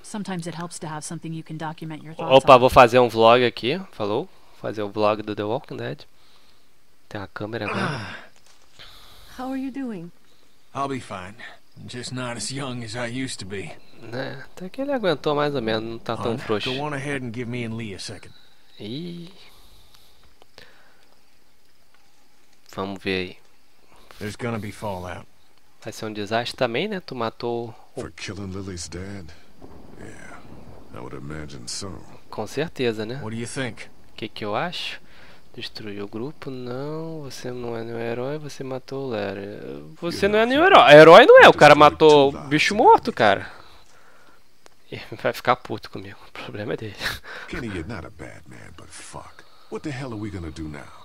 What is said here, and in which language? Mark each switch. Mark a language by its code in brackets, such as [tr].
[en] Sometimes it helps to have something you can document your thoughts. [pt] Opa, vou fazer um vlog aqui, falou? Vou fazer o vlog do The Walking Dead. Tem uma câmera agora. [en] How are you doing? I'll be fine. Just not as young as I used to be. [pt] Né? Até que ele aguentou mais ou menos, não tá tão frouxo. [en] Go on ahead and give me and Lee a second. [pt] Vamos ver aí. [en] There's gonna be fallout. [pt] Vai ser um desastre também, né? Tu matou [en] o... For killing Lily's dad? Yeah, I would imagine so. [pt] Com certeza, né? [en] What do you think? [pt] Que eu acho? Destruiu o grupo? Não, você não é nenhum herói, você matou o Larry. Você não é nenhum herói. Herói não é, o cara matou o bicho morto, cara. Ele vai ficar puto comigo, o problema é dele. [en] Kenny, you're not a bad man, but fuck. What the hell are we gonna do now?